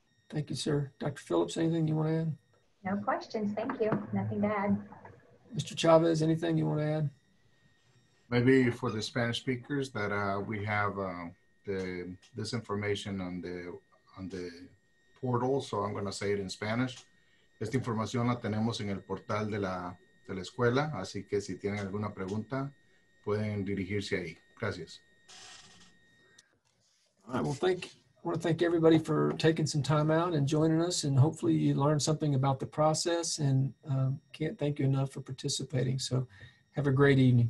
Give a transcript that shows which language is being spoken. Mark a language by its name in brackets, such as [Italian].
[English] Thank you, sir. Dr. Phillips, anything you want to add? No questions. Thank you. Nothing to add. Mr. Chavez, anything you want to add? Maybe for the Spanish speakers that we have this information on the portal, so I'm going to say it in Spanish. [Spanish] Esta información la tenemos en el portal de la escuela, así que si tienen alguna pregunta, pueden dirigirse ahí. Gracias. [English] All right, well, I want to thank everybody for taking some time out and joining us, and hopefully you learned something about the process, and can't thank you enough for participating. So have a great evening.